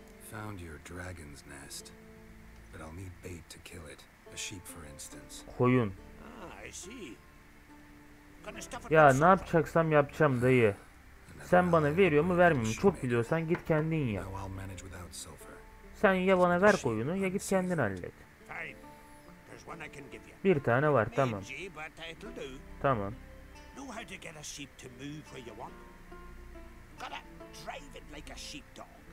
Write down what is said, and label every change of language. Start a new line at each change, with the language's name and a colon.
English: Found your dragon's nest, but I'll need bait to kill it. A sheep, for instance.
Turkish: Koyun.
English: Ah, I see. Gonna stuff it.
Turkish: Ya ne yapacaksam yapacağım dayı. Sen bana veriyor mu vermiyor mu? Çok biliyorsan git kendin ya.
English: Now I'll manage without sulfur.
Turkish: Sen ya bana ver koyunu ya git kendin hallet.
English: Fine. There's one I can give you.
Turkish: Bir tane var, tamam.
English: Mangy, but it'll do.
Turkish: Tamam.
English: Know how to get a sheep to move where you want? Gotta drive it like a sheepdog.